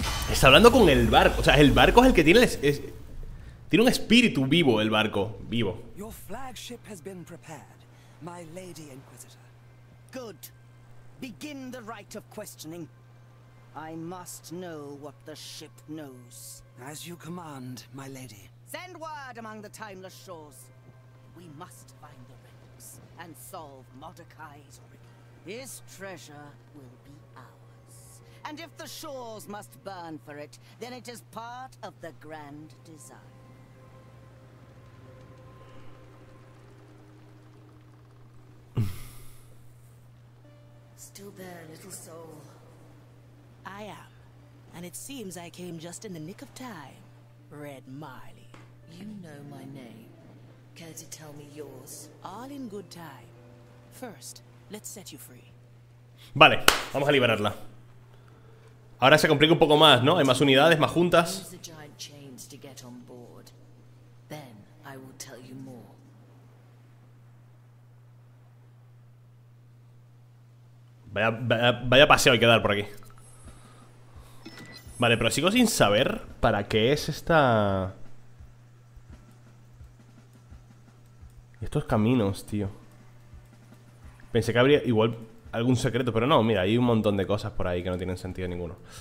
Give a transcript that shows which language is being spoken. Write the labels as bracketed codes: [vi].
[es] Está hablando con el barco. O sea, el barco es el que tiene el tiene un espíritu vivo el barco, vivo. [en] Your flagship has been prepared, my lady inquisitor. Good. Begin the rite of questioning. I must know what the ship knows. As you command, my lady. Send word among the timeless shores. We must find the relics and solve Mordecai's riddle. His treasure will be ours. And if the shores must burn for it, then it is part of the grand design. Still there, little soul. I am, and it seems I came just in the nick of time, Red Marley. You know my name. Care to tell me yours? All in good time. First, let's set you free. [es] Vale, vamos a liberarla. Ahora se complica un poco más, ¿no? Hay más unidades, más juntas. [en] Use the giant chains to get on board. Then I will tell you more. [es] Vaya paseo hay que dar por aquí. Vale, pero sigo sin saber para qué es esta... Estos caminos, tío. Pensé que habría igual algún secreto, pero no, mira, hay un montón de cosas por ahí que no tienen sentido ninguno.